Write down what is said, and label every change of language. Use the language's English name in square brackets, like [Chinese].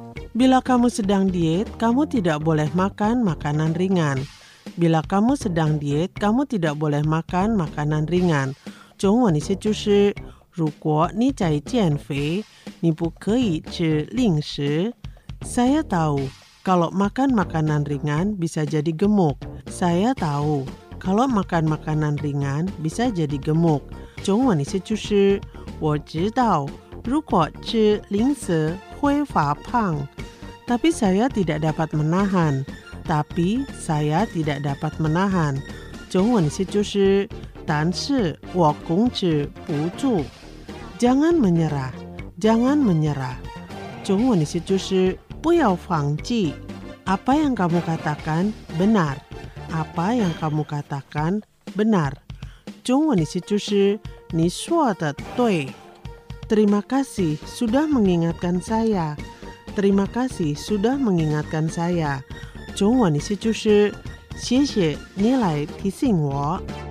[Malay] bila kamu sedang diet， kamu tidak boleh makan makanan ringan。 Bila kamu sedang diet, kamu tidak boleh makan makanan ringan. [Chinese] 中文那些就是，如果你在减肥，你不可以吃零食。 [Malay] Saya tahu, kalau makan makanan ringan bisa jadi gemuk. Saya tahu, kalau makan makanan ringan bisa jadi gemuk. [Chinese] 中文那些就是，我知道，如果吃零食会发胖。 [Malay] Tapi saya tidak dapat menahan. Tapi saya tidak dapat menahan. [Chinese] 中文是就是，但是我控制不住。 [Malay] Jangan menyerah, jangan menyerah. [Chinese] 中文是就是，不要放弃。 [Malay] Apa yang kamu katakan benar, apa yang kamu katakan benar. [Chinese] 中文是就是，你说的对。 [Malay] Terima kasih sudah mengingatkan saya. Terima kasih sudah mengingatkan saya. [Chinese] 中文那些就是谢谢你来提醒我。